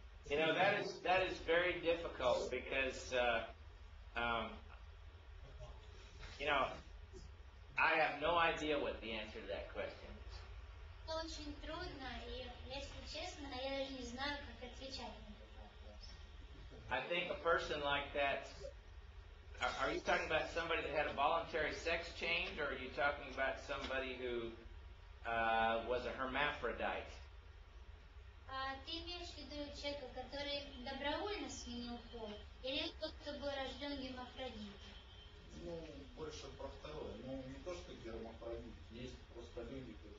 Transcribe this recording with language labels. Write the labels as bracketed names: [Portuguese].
[English] You know, that is very difficult because you know, I have no idea what the answer to that question is. [Russian] Очень трудно, и если честно, я даже не знаю, как отвечать на этот вопрос. [English] I think a person like that, are you talking about somebody that had a voluntary sex change, or are you talking about somebody who was a hermaphrodite? [Russian] Ты имеешь в виду человека, который добровольно сменил пол, или тот, кто был рожден гермафродитом? Ну, больше про второе. Ну, не то, что гермафродит, есть просто люди, которые...